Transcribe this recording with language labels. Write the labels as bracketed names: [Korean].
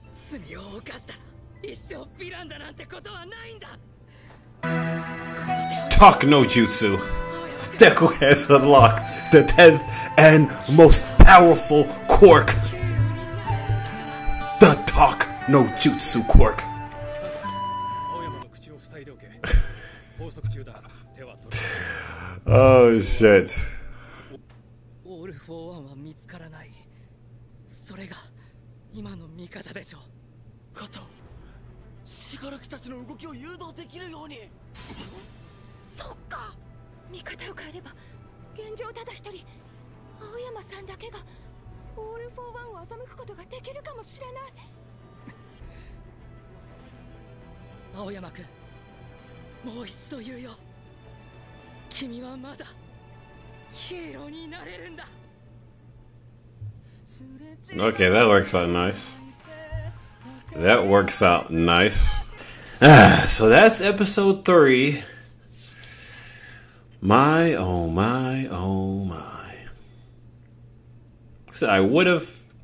[Japanese] 罪を犯したら一生ヴィランだなんてことはないんだ。 [English] Talk no jutsu. Deku has unlocked the 10th and most powerful quirk. The talk no jutsu quirk. [Japanese] 青山の口を塞いでおけ。拘束中だ。手は取 [English] る。Oh shit. [Japanese] オールフォーワンは見つからない。それが今の味方でしょう。シガラキたちの動きを誘導できるように。そっか、味方を変えれば現状ただ一人、青山さんだけがオールフォーワンを欺くことができるかもしれない。青山君、もう一度言うよ、君はまだヒーローになれるんだ。 [English] Okay, that works out niceThat works out nice. Ah, so that's episode 3. My, oh my, oh my. So I would have...